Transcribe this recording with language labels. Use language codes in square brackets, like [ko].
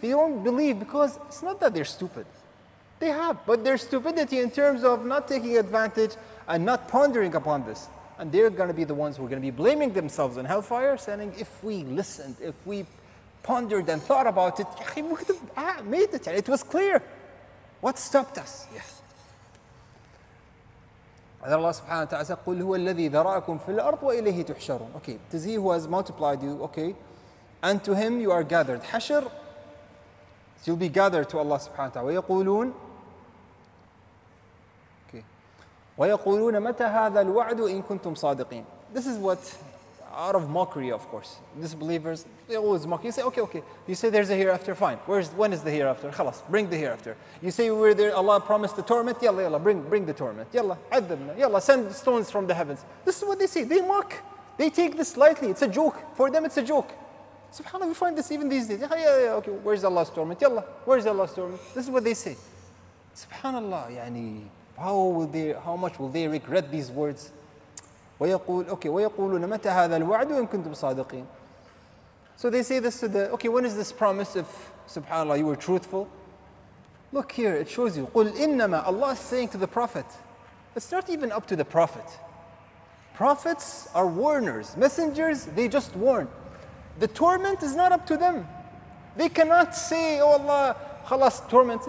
[en] They don't believe because it's not that they're stupid. They have, but their stupidity in terms of not taking advantage and not pondering upon this. And they're going to be the ones who are going to be blaming themselves in hellfire, saying, if we listened, if we pondered and thought about it, we would have made it. It was clear. What stopped us? Yes. And Allah subhanahu wa ta'ala said, [ar] قُلْ هُوَ الَّذِي ذَرَأَكُمْ فِي الْأَرْضِ وَإِلَيْهِ تُحْشَرُونَ. [en] Okay, it is He who has multiplied you, okay. And to Him you are gathered. Hashr, so you'll be gathered to Allah subhanahu wa ta'ala. [ar] وَيَقُولُونَ ويقولون متى هذا الوعد إن كنتم صادقين. [en] This is what, out of mockery, of course, disbelievers, they always mock. You say, okay, okay. You say there's a hereafter. Fine. When is the hereafter? [ar] خلاص. [en] Bring the hereafter. You say we're there. Allah promised the torment. [ar] يلا يلا. [en] Bring the torment. [ar] يلا. عذبنا. يلا. [en] Send stones from the heavens. This is what they say. They mock. They take this lightly. It's a joke for them. It's a joke. Subhanallah. We find this even these days. Yeah. Okay. Where's Allah's torment? [ar] يلا. [en] Where's Allah's torment? This is what they say. Subhanallah. [ar] يعني. [en] How much will they regret these words? [ar] ويقول متى هذا الوعد وإن كنتم صادقين. [en] So they say this to the, okay, when is this promise if subhanAllah you were truthful? Look here, it shows you. [ar] قل إنما, [en] Allah is saying to the Prophet. It's not even up to the Prophet. Prophets are warners. Messengers, they just warn. The torment is not up to them. They cannot say, oh Allah, [ar] خلاص [en] torment.